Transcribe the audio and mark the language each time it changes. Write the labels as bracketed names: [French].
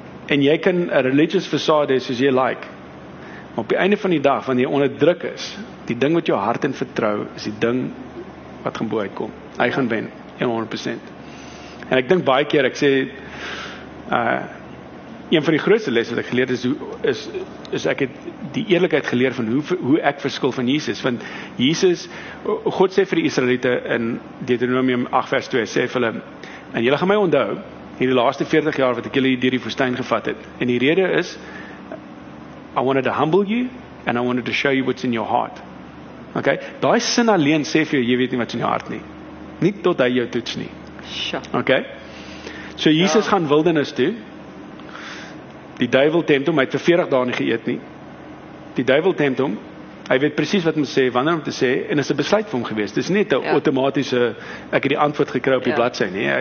[Afrikaans] En jy kan een religious facade soos jy like, maar op die einde van die dag, wanneer jy onder druk is, die ding wat jou hart in vertrou, is die ding wat gaan boe uitkom. Hy gaan wen, 100%. En ek dink baie keer, ek sê, een van die grootste lesse wat ek geleer is ek het die eerlijkheid geleer van hoe ek verskil van Jesus. Want Jesus, God sê vir die Israelite in Deuteronomium 8 vers 2, sê vir hulle, en julle gaan my onthou, in die laaste 40 jaar wat ek julle dier die woestyn gevat het. En die rede is, [English] I wanted to humble you, and I wanted to show you what's in your heart. [Afrikaans] Okay, daai sin alleen sê vir jou, jy weet nie wat's in jou hart nie. Nie tot hy jou toets nie. Okay. So Jesus gaan wildernis toe. Die duivel tempt hom, hy het vir 40 dae nie geëet nie. Die duivel tempt hom, Hy weet presies wat om te sê, wanneer om te sê, en dit is 'n besluit vir hom gewees. Dit is net 'n outomatiese, ek het die antwoord gekry op die bladsy, nie.